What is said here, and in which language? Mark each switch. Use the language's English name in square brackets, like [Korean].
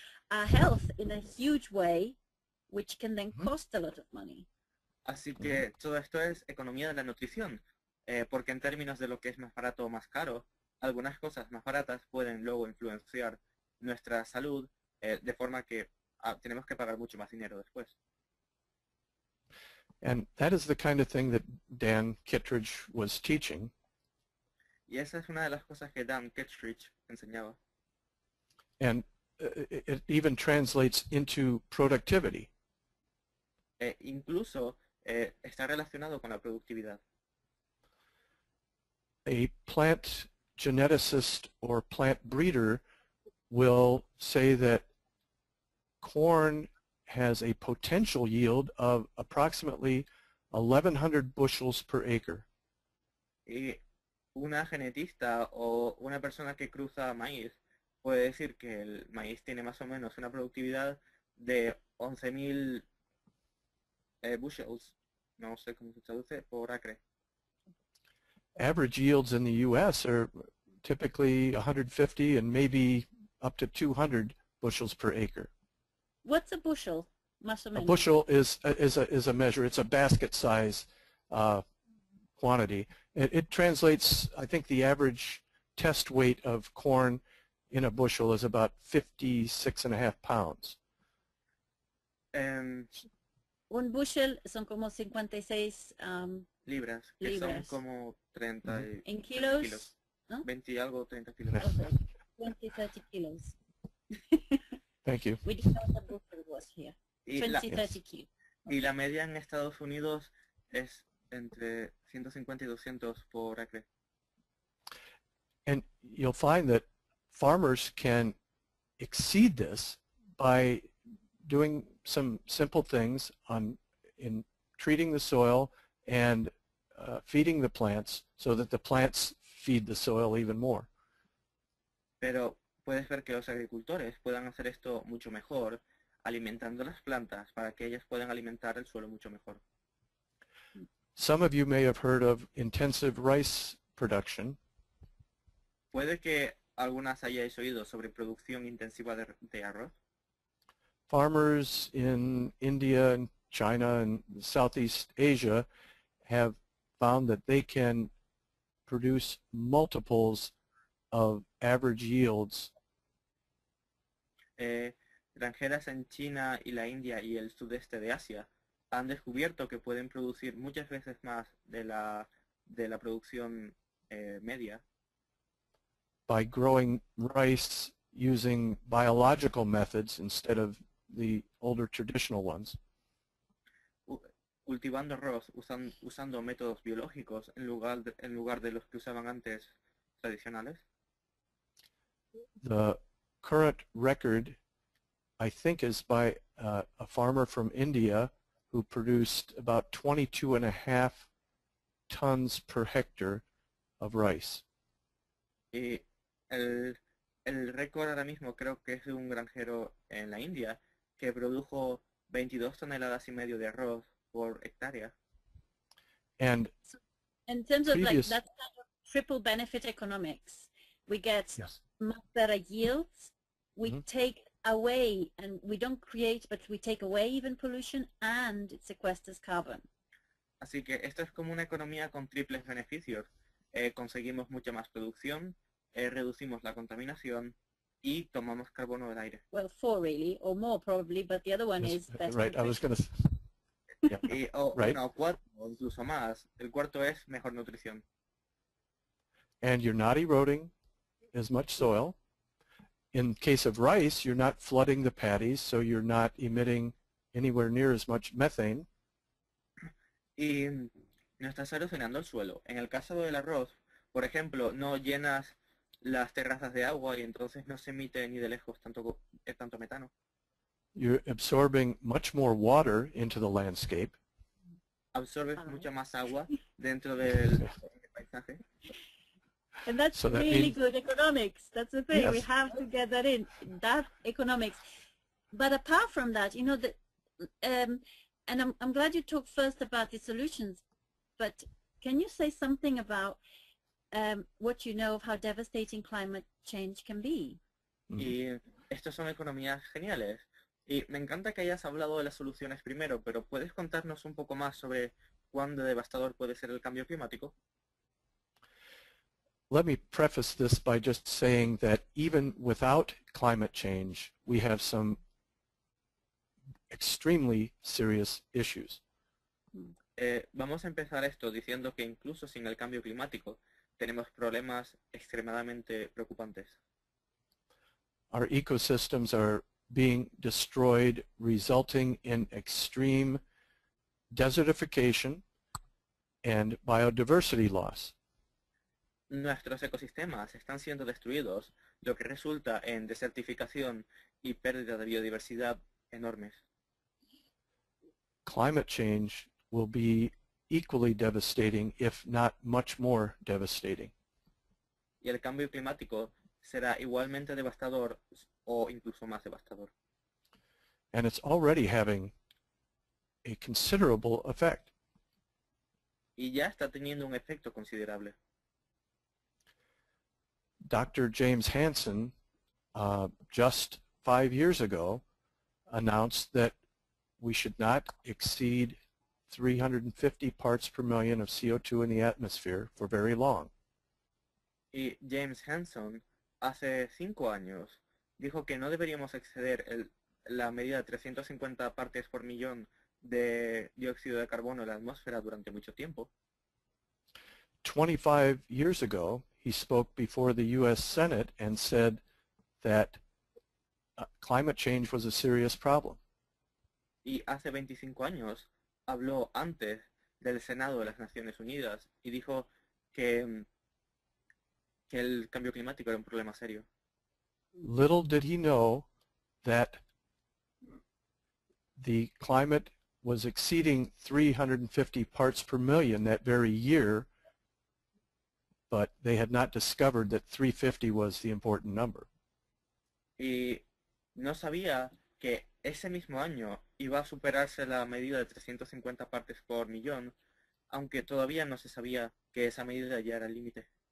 [English] our health in a huge way, which can then cost a lot of money. [Spanish] Así que todo esto es economía de la nutrición, porque en términos de lo que es más barato o más caro, algunas cosas más baratas pueden luego influenciar nuestra salud de forma que tenemos que pagar mucho más dinero después. [English] And that is the kind of thing that Dan Kittredge was teaching. [Spanish] Y esa es una de las cosas que Dan Kittredge enseñaba. [English] And it even translates into productivity. [Spanish] Incluso está relacionado con la productividad. [English] A plant geneticist or plant breeder will say that corn has a potential yield of approximately 1,100 bushels per acre. [Spanish] Y una genetista o una persona que cruza maíz puede decir que el maíz tiene más o menos una productividad de 11,000 bushels, no sé cómo se traduce, por acre. [English] Average yields in the U.S. are typically 150 and maybe up to 200 bushels per acre. What's a bushel, [Spanish] más o menos? [English] A bushel is a measure. It's a basket size quantity. It translates, I think the average test weight of corn in a bushel is about 56.5 pounds. [Spanish] Un bushel son como 56 libras, que libras. Son como 30 en kilos, kilos. ¿No? 20 y algo, 30 kilos. [English] Okay. 20, 30 kilos. Thank you. We didn't know what the bushel was here. [Spanish] Y 20, la, [English] 30 yes. kilos. [Spanish] Okay. Y la media en Estados Unidos es entre 150 y 200 por acre. [English] And you'll find that farmers can exceed this by doing some simple things on in treating the soil and feeding the plants so that the plants feed the soil even more. [Spanish] Pero puedes ver que los agricultores puedan hacer esto mucho mejor alimentando las plantas para que ellas puedan alimentar el suelo mucho mejor. [English] Some of you may have heard of intensive rice production. [Spanish] Puede que algunas hayáis oído sobre producción intensiva de arroz. [English] Farmers in India and China and Southeast Asia have found that they can produce multiples of average yields. [Spanish] Granjeras en China y la India y el sudeste de Asia han descubierto que pueden producir muchas veces más de la producción media. [English] By growing rice using biological methods instead of the older traditional ones. [Spanish] Cultivando arroz usando métodos biológicos en lugar de los que usaban antes tradicionales. [English] The current record, I think, is by a farmer from India who produced about 22.5 tons per hectare of rice. [Spanish] Y el récord ahora mismo creo que es de un granjero en la India que produjo 22 toneladas y medio de arroz por hectárea. [English] And in terms of like that kind of triple benefit economics, we get yes. much better yields, we mm-hmm. take away, and we don't create, but we take away even pollution, and it sequesters carbon. [Spanish] Así que esto es como una economía con triples beneficios. Conseguimos mucha más producción, reducimos la contaminación, y tomamos carbono del aire. [English] Well, four really, or more probably, but the other one yes. is best. Right, nutrition. I was going to say. Yeah. [Spanish] Y, [English] right. [Spanish] Bueno, cuatro, incluso más. El cuarto es mejor nutrición. [English] And you're not eroding as much soil. In case of rice, you're not flooding the paddies, so you're not emitting anywhere near as much methane. [Spanish] Y no estás erosionando el suelo. En el caso del arroz, por ejemplo, no llenas las terrazas de agua y entonces no se emite ni de lejos tanto metano. [English] You're absorbing much more water into the landscape. [Spanish] Absorbes [English] right. [Spanish] mucha más agua dentro del paisaje. [English] And that's so really that means, good economics. That's the thing. Yes. We have to get that in. That economics. But apart from that, you know, I'm glad you talked first about the solutions, but can you say something about what you know of how devastating climate change can be? [Spanish] Mm-hmm. Y estas son economías geniales. Y me encanta que hayas hablado de las soluciones primero, pero ¿puedes contarnos un poco más sobre cuán devastador puede ser el cambio climático? [English] Let me preface this by just saying that even without climate change, we have some extremely serious issues. [Spanish] Vamos a empezar esto diciendo que incluso sin el cambio climático, tenemos problemas extremadamente preocupantes. [English] Our ecosystems are being destroyed, resulting in extreme desertification and biodiversity loss. [Spanish] Nuestros ecosistemas están siendo destruidos, lo que resulta en desertificación y pérdida de biodiversidad enormes. [English] Climate change will be equally devastating, if not much more devastating. [Spanish] Y el cambio climático será igualmente devastador o incluso más devastador. [English] And it's already having a considerable effect. [Spanish] Y ya está teniendo un efecto considerable. [English] Dr. James Hansen, just 5 years ago, announced that we should not exceed 350 parts per million of CO2 in the atmosphere for very long. [Spanish] Y James Hansen, hace 5 años, dijo que no deberíamos exceder la medida de 350 partes por millón de dióxido de carbono en la atmósfera durante mucho tiempo. [English] 25 years ago, he spoke before the U.S. Senate and said that climate change was a serious problem. [Spanish] Y hace 25 años habló antes del Senado de las Naciones Unidas y dijo que el cambio climático era un problema serio. [English] Little did he know that the climate was exceeding 350 parts per million that very year, but they had not discovered that 350 was the important number. [Spanish] Y no sabía que ese mismo año iba a superarse la medida de 350 partes por millón, aunque todavía no se sabía que esa medida ya era el límite.